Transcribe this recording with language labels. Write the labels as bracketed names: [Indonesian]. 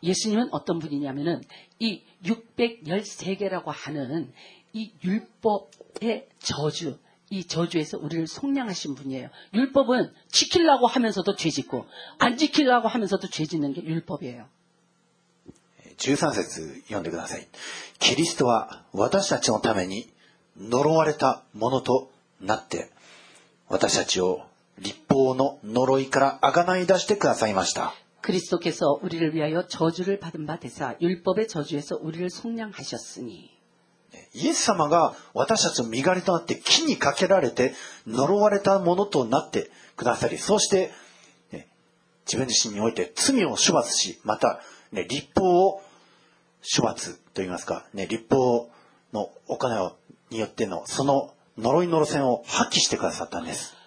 [Korean] 예수님은어떤분이냐면은이613개라고하는이율법의저주이저주에서우리를속량하신분이에요율법은지키려고하면서도죄짓고안지키려고하면서도죄짓는게율법이에요 [Japanese] 13節読んでください그리스도は私たちのために呪われたものとなって私たちを律法の呪いからあがない出してくださいました [Korean] 그리스도께서우리를위하여저주를받은바되사율법의저주에서우리를속량하셨으니 [Japanese] イエス様が私たちの身代わりとなって木にかけられて呪われたものとなってくださりそして、ね、自分自身において罪を処罰しまた、ね、律法を処罰といいますか、ね、律法のお金をによってのその呪いの路線を破棄してくださったんです